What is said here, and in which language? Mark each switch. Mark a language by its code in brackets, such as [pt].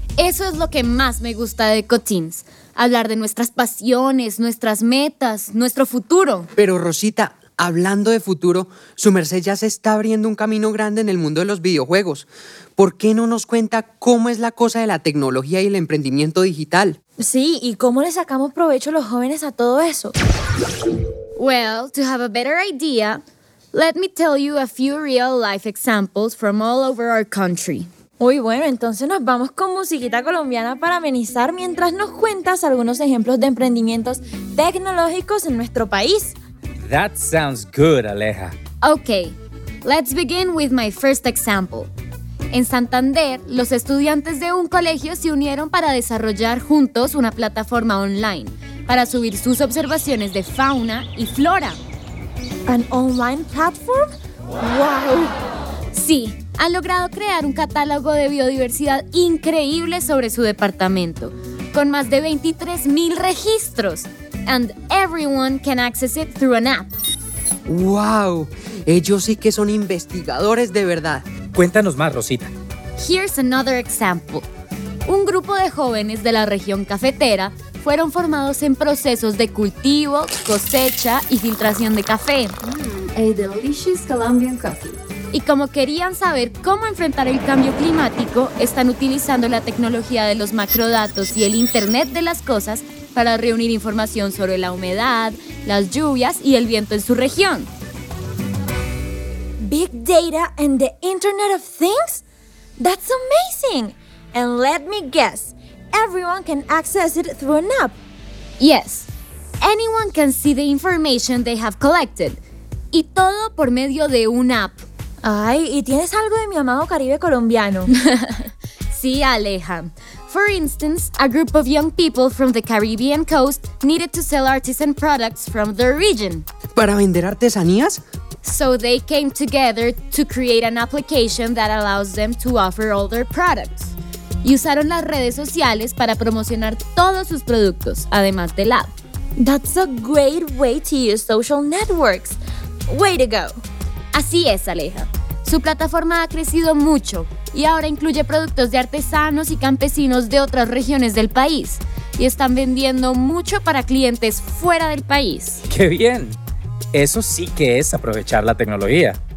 [es] Eso es lo que más me gusta de EcoTeens. Hablar de nuestras pasiones, nuestras metas, nuestro futuro. Pero Rosita... Hablando de futuro, su merced ya se está abriendo un camino grande en el mundo de los videojuegos. ¿Por qué no nos cuenta cómo es la cosa de la tecnología y el emprendimiento digital? Sí, ¿y cómo le sacamos provecho los jóvenes a todo eso? [en] Well, to have a better idea, let me tell you a few real life examples from all over our country. [es] Uy, bueno, entonces nos vamos con musiquita colombiana para amenizar mientras nos cuentas algunos ejemplos de emprendimientos tecnológicos en nuestro país. [en] That sounds good, Aleja. Okay, let's begin with my first example. [es] En Santander, los estudiantes de un colegio se unieron para desarrollar juntos una plataforma online para subir sus observaciones de fauna y flora. [en] ¿An online platform? ¡Wow! [es] Sí, han logrado crear un catálogo de biodiversidad increíble sobre su departamento, con más de 23,000 registros. [en] And everyone can access it through an app. [es] ¡Wow! Ellos sí que son investigadores de verdad. Cuéntanos más, Rosita. [en] Here's another example. [es] Un grupo de jóvenes de la región cafetera fueron formados en procesos de cultivo, cosecha y filtración de café. [en] A delicious Colombian coffee. [es] Y como querían saber cómo enfrentar el cambio climático, están utilizando la tecnología de los macrodatos y el Internet de las cosas para reunir información sobre la humedad, las lluvias y el viento en su región. [en] Big data and the Internet of Things? That's amazing! And let me guess, everyone can access it through an app. Yes, anyone can see the information they have collected. [es] Y todo por medio de un app. Ay, ¿y tienes algo de mi amado Caribe colombiano? Sí, Aleja. [en] For instance, a group of young people from the Caribbean coast needed to sell artisan products from their region. [es] ¿Para vender artesanías? [en] So they came together to create an application that allows them to offer all their products. [es] Y usaron las redes sociales para promocionar todos sus productos, además del app. [en] That's a great way to use social networks. Way to go. [es] Así es, Aleja. Su plataforma ha crecido mucho y ahora incluye productos de artesanos y campesinos de otras regiones del país. Y están vendiendo mucho para clientes fuera del país. ¡Qué bien! Eso sí que es aprovechar la tecnología.